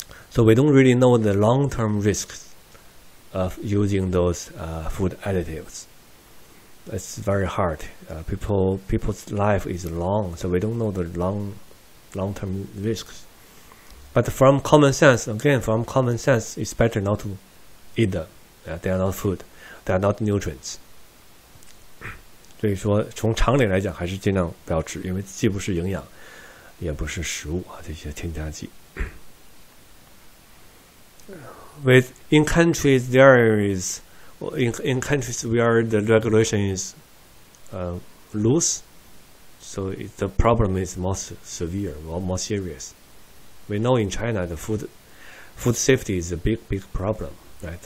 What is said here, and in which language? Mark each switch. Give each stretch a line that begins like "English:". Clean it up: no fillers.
English: So we don't really know the long-term risks of using those food additives. It's very hard. People's life is long, so we don't know the long-term risks. But from common sense, again, from common sense, it's better not to eat them. They are not food. They are not nutrients.
Chinese: 所以说，从常理来讲，还是尽量不要吃，因为既不是营养，也不是食物啊，这些添加剂。
English: With in countries there is, in countries where the regulation is, loose, so the problem is most severe, more serious. We know in China the food safety is a big problem, right?